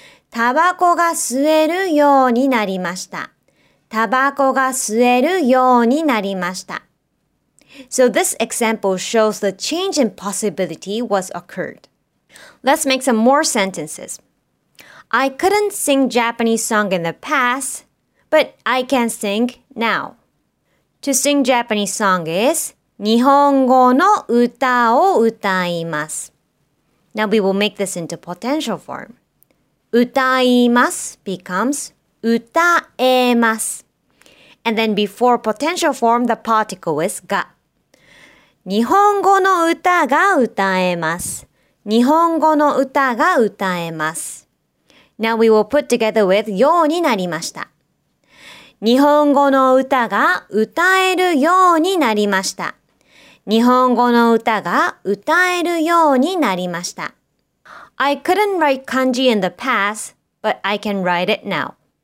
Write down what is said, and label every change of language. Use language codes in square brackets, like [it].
[ja] タバコが吸えるようになりました。タバコが吸えるようになりました。 [en] So this example shows the change in possibility was occurred. Let's make some more sentences. I couldn't sing Japanese song in the past, but I can sing now. To sing Japanese song is [ja] 日本語の歌を歌います。 [en] Now we will make this into potential form. 歌います becomes 歌えます。 And then before potential form, the particle is が。 [ja] 日本語の歌が歌えます。日本語の歌が歌えます。 [en] Now we will put together with ようになりました。 [ja] 日本語の歌が歌えるようになりました。日本語の歌が歌えるようになりました。 [en] I couldn't write kanji in the past, but I can write it now.